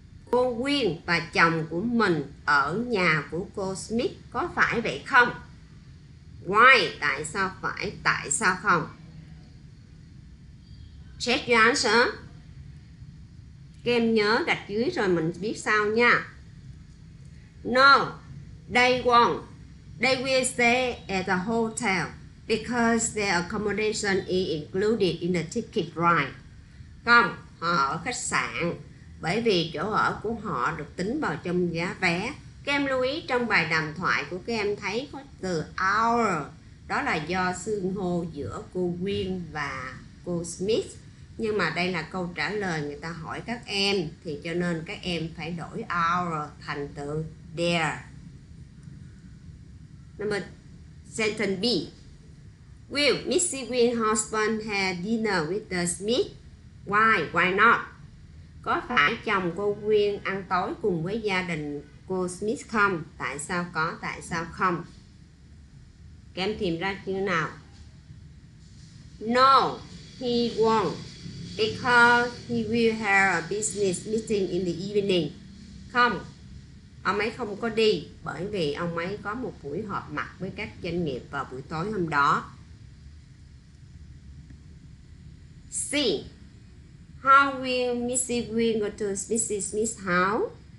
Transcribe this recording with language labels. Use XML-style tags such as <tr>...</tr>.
<vi>Cô Nguyên và chồng của mình ở nhà của cô Smith, có phải vậy không?</vi> <en>Why?</en> <vi>Tại sao phải? Tại sao không?</vi> <en>Check your answer.</en> <vi>Các em nhớ gạch dưới rồi mình biết sao nha.</vi> <en>No, they won't. They will stay at the hotel because their accommodation is included in the ticket, right?</en> <vi>Không, họ ở khách sạn bởi vì chỗ ở của họ được tính vào trong giá vé. Các em lưu ý trong bài đàm thoại của các em thấy có từ our, đó là do xưng hô giữa cô Nguyên và cô Smith. Nhưng mà đây là câu trả lời người ta hỏi các em, thì cho nên các em phải đổi our thành từ their.</vi> <en>Number sentence B. Will Mrs. Nguyên's husband have dinner with the Smith? Why? Why not?</en> <vi>Có phải chồng cô Nguyên ăn tối cùng với gia đình cô Smith không? Tại sao có, tại sao không? Các em tìm ra chưa nào?</vi> <en>No, he won't, because he will have a business meeting in the evening.</en> <vi>Không, ông ấy không có đi bởi vì ông ấy có một buổi họp mặt với các doanh nghiệp vào buổi tối hôm đó.</vi> <en>C. How will Mrs. Nguyên go to Mrs. Smith's house?</en>